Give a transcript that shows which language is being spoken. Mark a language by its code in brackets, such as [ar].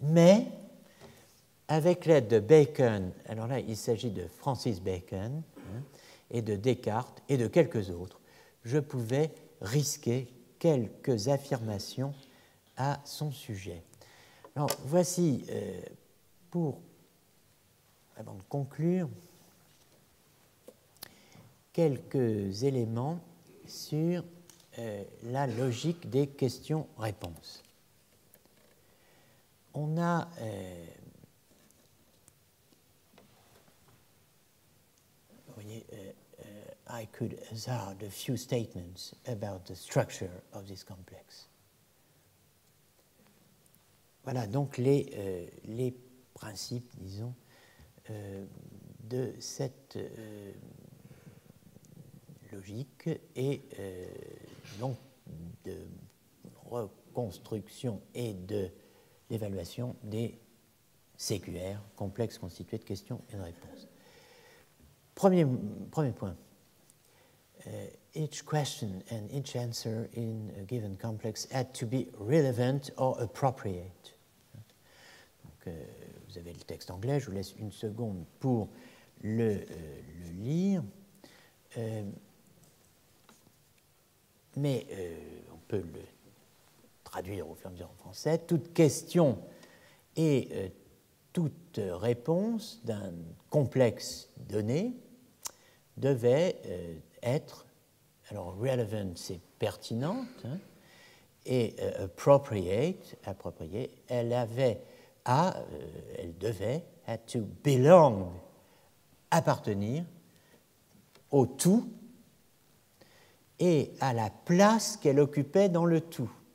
[fr] Mais, avec l'aide de Bacon, alors là, il s'agit de Francis Bacon, et de Descartes, et de quelques autres, je pouvais risquer quelques affirmations à son sujet. Alors, voici, pour, avant de conclure, quelques éléments sur la logique des questions-réponses. On a [en] I could hazard a few statements about the structure of this complex. [fr] Voilà donc les principes, disons, de cette logique et donc de reconstruction et de l'évaluation des CQR, complexes constitués de questions et de réponses. Premier point. [en] Each question and each answer in a given complex had to be relevant or appropriate. [fr] Donc, vous avez le texte anglais, je vous laisse une seconde pour le lire. Mais on peut le traduire au fur et à mesure en français. Toute question et toute réponse d'un complexe donné devait être, alors relevant c'est pertinente, hein, et approprié, elle avait à, elle devait, [en] had to belong, [fr] appartenir au tout et à la place qu'elle occupait dans le tout.